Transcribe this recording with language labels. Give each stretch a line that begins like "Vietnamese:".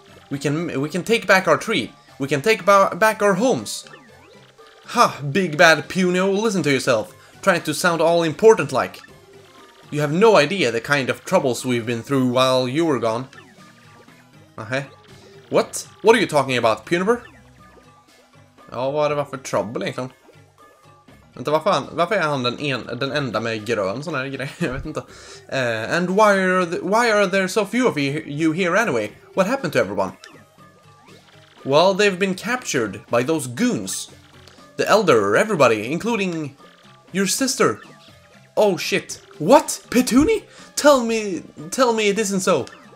English: We can take back our tree. We can take back our homes. Ha, big bad Punio, listen to yourself. Trying to sound all important like. You have no idea the kind of troubles we've been through while you were gone. Okay. What? What are you talking about, Puniper?
Swedish: Ja, vad är det för trouble egentligen? Vänta, vad fan? Varför är han den enda med grön sån här grej? Jag vet inte.
English: And why are there so few of you here anyway? What happened to everyone? Well, they've been captured by those goons. The elder, everybody, including your sister. Oh shit. What? Petuni? Tell me it isn't so.